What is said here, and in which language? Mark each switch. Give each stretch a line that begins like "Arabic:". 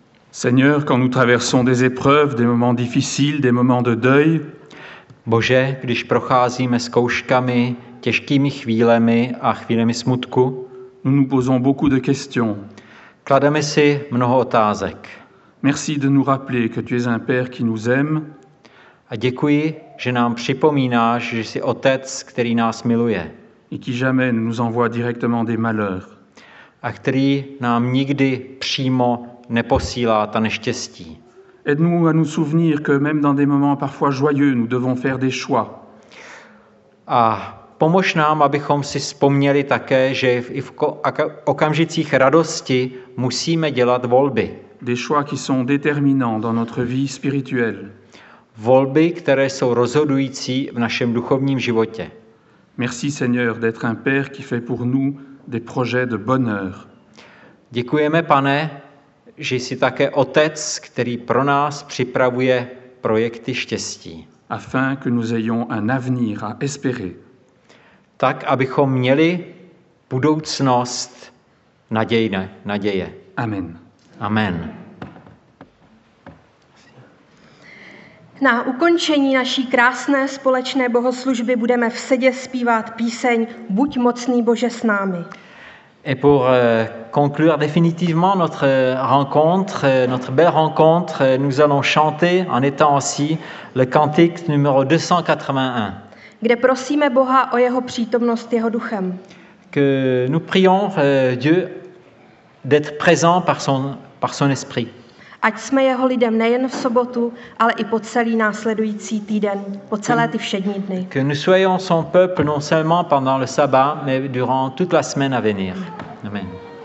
French: Seigneur, quand nous traversons des épreuves, des moments difficiles, des moments de deuil,
Czech: Bože, když procházíme zkouškami, těžkými chvílemi a chvílemi smutku,
French: nous nous posons beaucoup de questions.
Czech: Klademe si mnoho otázek.
French: Merci de nous rappeler que tu es un père qui nous aime.
Czech: A děkuji, že nám připomínáš, že jsi otec, který nás miluje.
French: Et qui jamais ne nous envoie directement des malheurs.
Czech: A který nám nikdy přímo neposílá ta neštěstí.
French: Aide-nous à nous souvenir que même dans des moments parfois joyeux, nous devons faire des choix.
Czech: A pomož nám, abychom si vzpomněli také, že i v okamžicích radosti musíme dělat volby.
French: Des choix qui sont déterminants dans notre vie spirituelle.
Czech: Volby, které jsou rozhodující v našem duchovním životě.
French: Merci Seigneur d'être un père qui fait pour nous des projets de bonheur.
Czech: Děkujeme, Pane, že jsi také otec, který pro nás připravuje projekty štěstí.
French: Afin que nous ayons un avenir à espérer.
Czech: tak abychom měli budoucnost nadějné, naděje.
French: Amen.
Czech: Amen. Na ukončení naší krásné společné bohoslužby budeme v sedě zpívat píseň Buď mocný Bože s námi.
French: Et pour conclure définitivement notre rencontre, notre belle rencontre, nous allons chanter en étant assis le cantique numéro 281.
Czech: Kde prosíme Boha o jeho přítomnost jeho duchem.
French: Que nous prions Dieu d'être présent par son esprit.
Czech: Ať jsme jeho lidem nejen v sobotu, ale i po celý následující týden, po celé ty všední dny.
French: Que nous soyons son peuple non seulement pendant le sabbat, mais durant toute la semaine à venir. Amen.